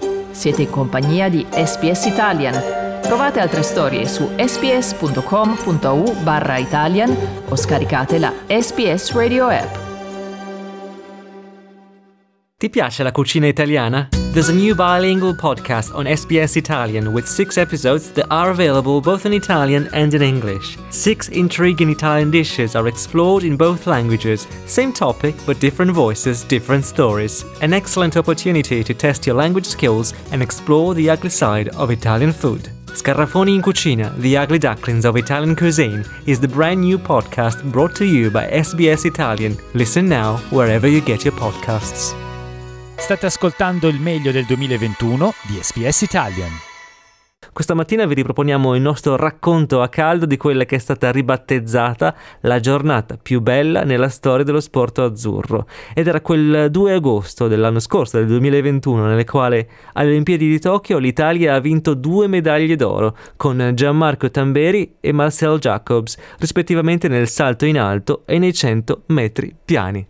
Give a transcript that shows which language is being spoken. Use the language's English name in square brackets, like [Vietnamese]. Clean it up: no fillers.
[Italian] Siete in compagnia di SBS Italian. Trovate altre storie su sbs.com.au/italian o scaricate la SBS Radio app. Ti piace la cucina italiana? [English] There's a new bilingual podcast on SBS Italian with 6 episodes that are available both in Italian and in English. 6 intriguing Italian dishes are explored in both languages. Same topic, but different voices, different stories. An excellent opportunity to test your language skills and explore the ugly side of Italian food. Scarafoni in Cucina, The Ugly Ducklings of Italian Cuisine is the brand new podcast brought to you by SBS Italian. Listen now wherever you get your podcasts. [Italian] State ascoltando il meglio del 2021 di SBS Italian. Questa mattina vi riproponiamo il nostro racconto a caldo di quella che è stata ribattezzata la giornata più bella nella storia dello sport azzurro. Ed era quel 2 agosto dell'anno scorso, del 2021, nelle quale alle Olimpiadi di Tokyo l'Italia ha vinto 2 medaglie d'oro con Gianmarco Tamberi e Marcel Jacobs, rispettivamente nel salto in alto e nei 100 metri piani.